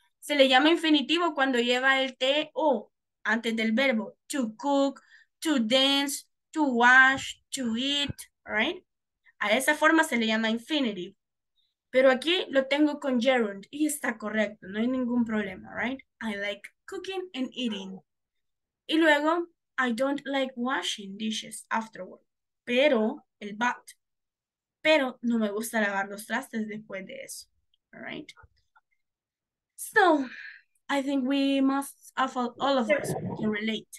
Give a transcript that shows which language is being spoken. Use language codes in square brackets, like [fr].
[es] Se le llama infinitivo cuando lleva el T-O antes del verbo. [en] To cook, to dance, to wash, to eat, right? [es] A esa forma se le llama infinitive. Pero aquí lo tengo con gerund y está correcto. No hay ningún problema, right? [en] I like cooking and eating. [es] Y luego, [en] I don't like washing dishes afterward. [es] Pero, el but. Pero no me gusta lavar los trastes después de eso, right? [en] So, I think we must, all of us can relate.